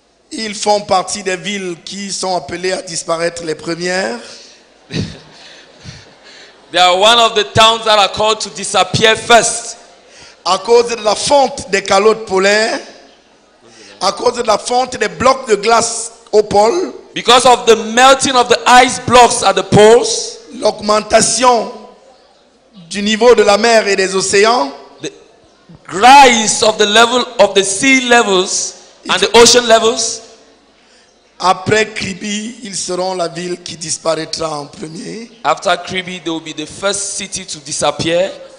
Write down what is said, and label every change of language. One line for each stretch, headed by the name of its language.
French: ils font partie des villes qui sont appelées à disparaître les premières.
English: They are one of the towns that are called to disappear first.
French: À cause de la fonte des calottes polaires, à cause de la fonte des blocs de glace au pôle,
English: because of the melting of the ice blocks at the poles,
French: l'augmentation du niveau de la mer et des océans,
English: the rise of the level of the sea levels and the ocean levels.
French: Après Kribi, ils seront la ville qui disparaîtra en premier.
English: After Kribi, they will be the first city to disappear.